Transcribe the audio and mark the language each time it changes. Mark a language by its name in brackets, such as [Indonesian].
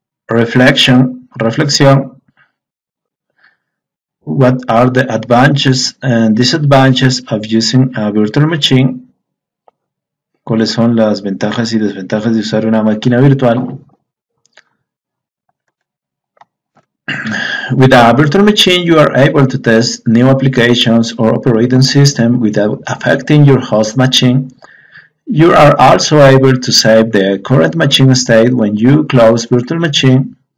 [English] Reflection, reflexión. What are the advantages and disadvantages of using a virtual machine? [Spanish] ¿Cuáles son las ventajas y desventajas de usar una máquina virtual? [English] With a virtual machine, you are able to test new applications or operating system without affecting your host machine. You are also able to save the current machine state when you close virtual machine.